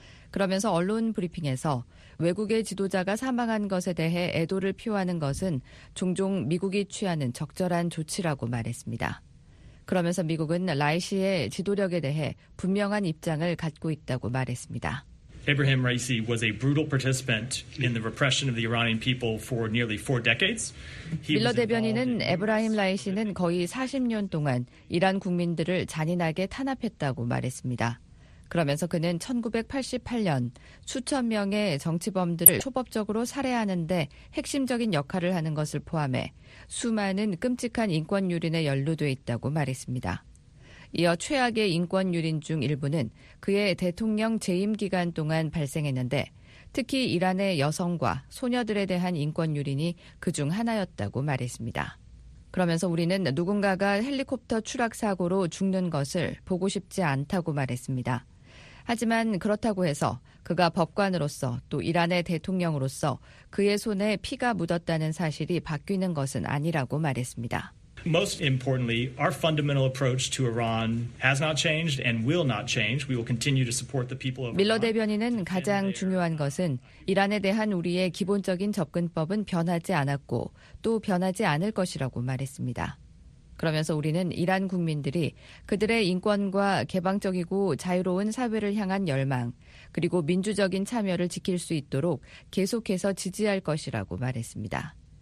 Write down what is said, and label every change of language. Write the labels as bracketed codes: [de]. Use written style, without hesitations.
[ko] 그러면서 언론 브리핑에서 외국의 지도자가 사망한 것에 대해 애도를 표하는 것은 종종 미국이 취하는 적절한 조치라고 말했습니다. 그러면서 미국은 라이시의 지도력에 대해 분명한 입장을 갖고 있다고 말했습니다. [en] Abraham Raisi was a brutal participant in the repression of the Iranian people for nearly four decades. [ko] 밀러 대변인은 에브라힘 라이시는 거의 40년 동안 이란 국민들을 잔인하게 탄압했다고 말했습니다. 그러면서 그는 1988년 수천 명의 정치범들을 초법적으로 살해하는 데 핵심적인 역할을 하는 것을 포함해 수많은 끔찍한 인권 유린에 연루돼 있다고 말했습니다. 이어 최악의 인권 유린 중 일부는 그의 대통령 재임 기간 동안 발생했는데 특히 이란의 여성과 소녀들에 대한 인권 유린이 그중 하나였다고 말했습니다. 그러면서 우리는 누군가가 헬리콥터 추락 사고로 죽는 것을 보고 싶지 않다고 말했습니다. 하지만 그렇다고 해서 그가 법관으로서 또 이란의 대통령으로서 그의 손에 피가 묻었다는 사실이 바뀌는 것은 아니라고 말했습니다. [en] Most importantly, our fundamental approach to Iran has not changed and will not change. We will continue to support the people of Iran. [ko] 밀러 대변인은 가장 중요한 것은 이란에 대한 우리의 기본적인 접근법은 변하지 않았고 또 변하지 않을 것이라고 말했습니다. 그러면서 우리는 이란 국민들이 그들의 인권과 개방적이고 자유로운 사회를 향한 열망, 그리고 민주적인 참여를 지킬 수 있도록 계속해서 지지할 것이라고 말했습니다.